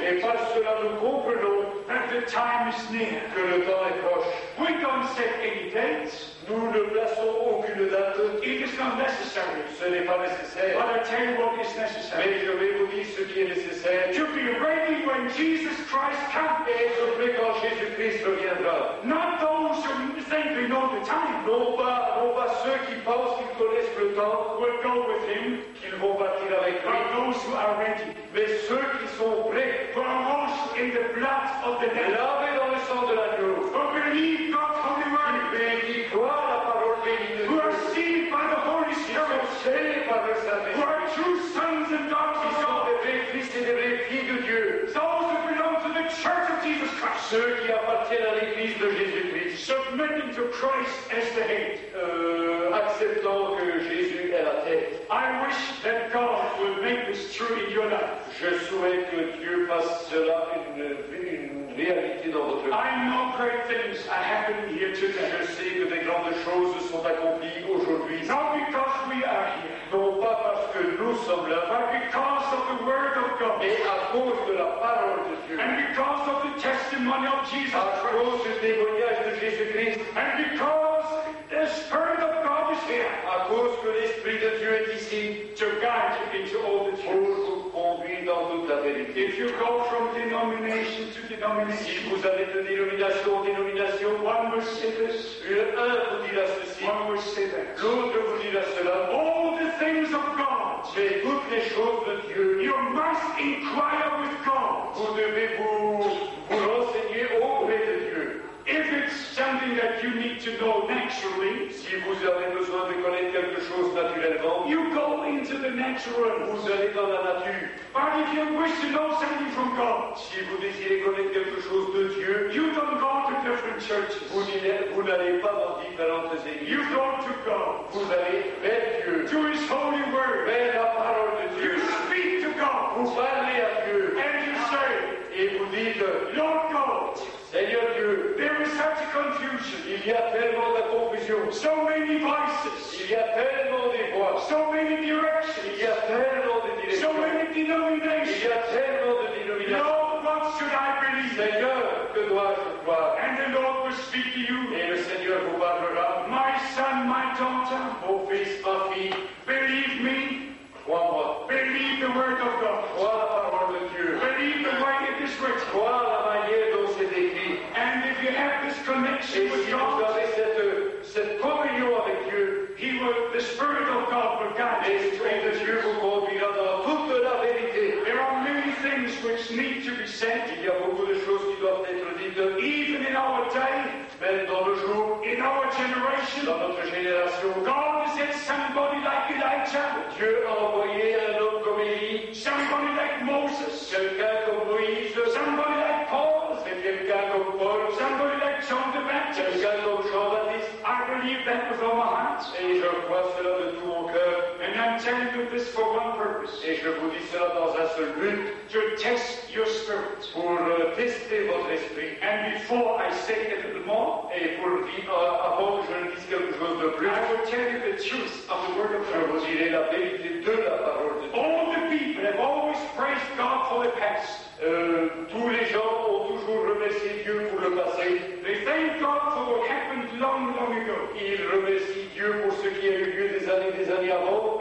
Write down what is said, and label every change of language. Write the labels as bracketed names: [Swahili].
[French] Et par cela nous comprenons [English] that the time is near. [French] Que le temps est proche. [English] We don't set any dates. [French] Nous ne plaçons aucune date. [English] It is not necessary. [French] Ce n'est pas nécessaire. [English] But I tell you what is necessary. [French] Mais je vais vous dire ce qui est nécessaire. [English] To be ready when Jesus Christ comes. [French] Et être prêt quand Jésus-Christ reviendra. [English] Not those who think they know the time. [French] Non pas ceux qui pensent qu'ils connaissent le temps. [English] Will go with him. [French] Qu'ils vont partir avec lui. [English] But those who are ready. [French] Mais ceux qui sont prêts. [English] Who are washed in the blood of the [French] Lamb. Lavés dans le sang de l'agneau. [English] Who believe God's holy word. [French] Qui croient la parole bénie de [English] Dieu. Who are saved by the Holy Spirit. [French] Qui sont scellés par le Saint-Esprit. [English] Who are true sons and daughters of God. [French] Qui sont des vrais fils et des vraies filles de Dieu. [English] Those who belong to the Church of Jesus Christ. [French] Ceux qui appartiennent à l'Église de Jésus-Christ. [English] Submitting to Christ as the head. [French] Acceptant que Jésus est la tête. [English] I wish that God would make this true in your life. [French] Je souhaite que Dieu fasse cela une réalité dans votre vie. [English] I know great things are happening here today. [French] Je sais que des grandes choses sont accomplies aujourd'hui. [English] Not because we are here. [French] Non pas parce que nous sommes là. [English] But because of the word of God. [French] Mais à cause de la parole de Dieu. [English] And because of the testimony of Jesus [French] Christ. À cause du témoignage de Jésus-Christ. [English] And because the Spirit of God is here. [French] À cause que l'Esprit de Dieu est ici. [English] To guide you into all the truth. [French] Dans toute la vérité. [English] If you go from denomination to denomination, [French] si vous allez de dénomination en dénomination, [English] one will say this, [French] un vous dira ceci, [English] one will say that, [French] l'autre vous dira cela. [English] All the things of God, [French] mais toutes les choses de Dieu, [English] you must inquire with God. [French] Vous devez vous renseigner auprès de Dieu. [English] If it's something that you need to know naturally, [French] si vous avez besoin de connaître quelque chose naturellement, [English] you go into the natural. [French] Vous allez dans la nature. [English] But if you wish to know something from God, [French] si vous désirez connaître quelque chose de Dieu, [English] you don't go to different churches. [French] Vous n'allez pas dans différentes églises. [English] You go to God. [French] Vous allez vers Dieu. [English] To His holy word. [French] Vers la parole de Dieu. [English] You speak to God. [French] Vous parlez à Dieu. [English] And you say, [French] et vous dites, [English] Lord God. [French] Seigneur Dieu, [English] there is such a confusion. [French] Il y a tellement de confusion. [English] So many vices. [French] Il y a tellement de voies. [English] So many directions. [French] Il y a tellement de directions. [English] So many denominations. [French] Il y a tellement de denominations. [English] Lord, what should I believe? [French] Seigneur, que dois-je croire? [English] And the Lord will speak to you. [French] Et le Seigneur vous parlera. [English] My son, my daughter. [French] Mon fils, ma fille. [English] Believe me. [French] Crois-moi. [English] Believe the word of God. [French] Crois la parole de Dieu. [English] Believe the way it is written. [French] Crois la manière dont c'est écrit. [English] And if you have this connection with God, [French] et si vous avez cette communion avec Dieu, [English] the Spirit of God will guide you. [French] L'Esprit de Dieu vous conduira dans toute la vérité. [English] There are many things which need to be said. [French] Il y a beaucoup de choses qui doivent être dites. [English] Even in our day, [French] même dans le jour, [English] in our generation, [French] dans notre génération, [English] God has sent somebody like Elijah. [French] Dieu a envoyé un homme comme Élie. [English] Somebody like Moses. [French] Quelqu'un comme Moïse. [English] Somebody like Paul. [French] C'est quelqu'un comme Paul. [English] Somebody like John the Baptist. [French] Quelqu'un comme Jean Baptiste. [English] I believe that with all my heart. [French] Et je crois cela de tout mon cœur. [English] And I'm telling you this for one purpose. [French] Et je vous dis cela dans un seul but. [English] To test your spirit. [French] Pour tester votre esprit. [English] And before I say it more, [French] et pour dire avant que je ne dise quelque chose de plus, [English] I will tell you the truth of the word of God. [French] Je vous dirai la vérité de la parole de Dieu. [English] All the people have always praised God for the past. [French] Tous les gens ont toujours remercié Dieu pour le passé. [English] They thank God for what happened long, long ago. [French] Ils remercient Dieu pour ce qui a eu lieu des années avant.